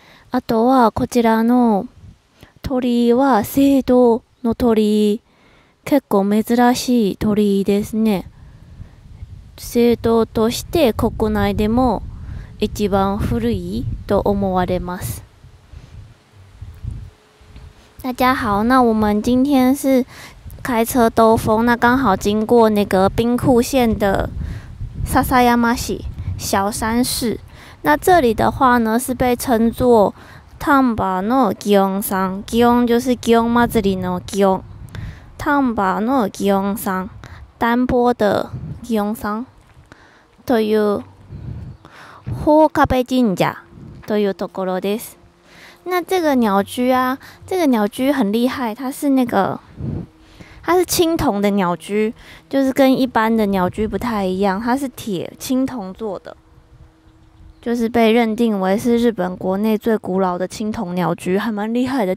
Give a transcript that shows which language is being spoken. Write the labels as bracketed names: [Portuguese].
[Japanese] あとは、こちらの鳥居は、青銅の鳥居。結構珍しい鳥居ですね。青銅として国内でも一番古いと思われます。 [Chinese] 大家好，那我们今天是开车兜风，那刚好经过那个兵库县的篠山小山市。那这里的话呢，是被称作 [Japanese] 丹波の祇園さん，祇園就是祇園祭りの祇園，丹波の祇園さん，丹波的祇園さんという法壁神社というところです。 [Chinese] 那这个鸟居啊，这个鸟居很厉害，它是青铜的鸟居，就是跟一般的鸟居不太一样，它是铁青铜做的，就是被认定为是日本国内最古老的青铜鸟居，还蛮厉害的。